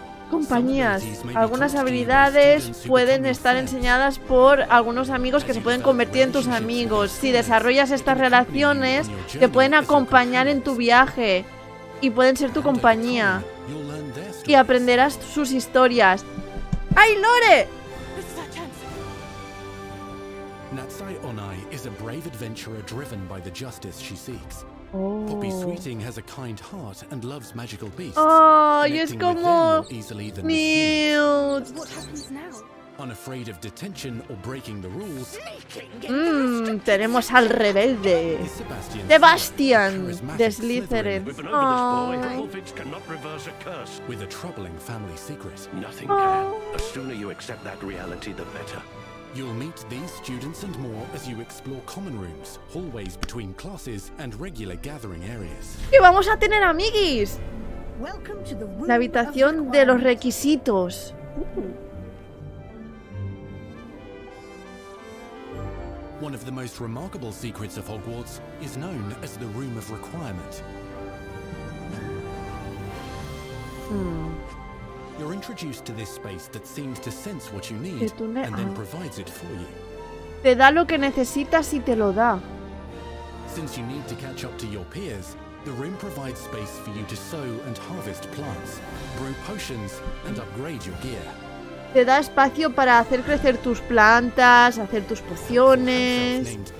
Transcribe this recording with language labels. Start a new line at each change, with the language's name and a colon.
Spanish: Compañías. Algunas habilidades pueden estar enseñadas por algunos amigos que se pueden convertir en tus amigos. Si desarrollas estas relaciones, te pueden acompañar en tu viaje y pueden ser tu compañía. Y aprenderás sus historias. ¡Ay, Lore!
English: Natsai Onai is a brave adventurer driven by the justice she seeks. Oh. Poppy Sweeting has a kind heart and loves magical beasts.
Spanish: Oh, y es como
English: easily than what happens now? Unafraid of detention or breaking the rules.
Spanish: Tenemos al rebelde. Sebastian de Slytherin.
English: Oh. Cannot reverse a curse with a troubling family secret. Nothing can. The sooner you accept that reality, the better. You'll meet these students and more as you explore common rooms, hallways between classes, and regular gathering areas.
Spanish: ¡Y vamos a tener amiguis!
English: Welcome to the room.
Spanish: La habitación de los requisitos.
English: One of the most remarkable secrets of Hogwarts is known as the Room of Requirement. You're introduced to this space that seems to sense what you need and then provides it for you.
Spanish: Te da lo que necesitas y te lo da.
English: Since you need to catch up to your peers, the rim provides space for you to sow and harvest plants, brew potions and upgrade your gear.
Spanish: Te da espacio para hacer crecer tus plantas, hacer tus pociones.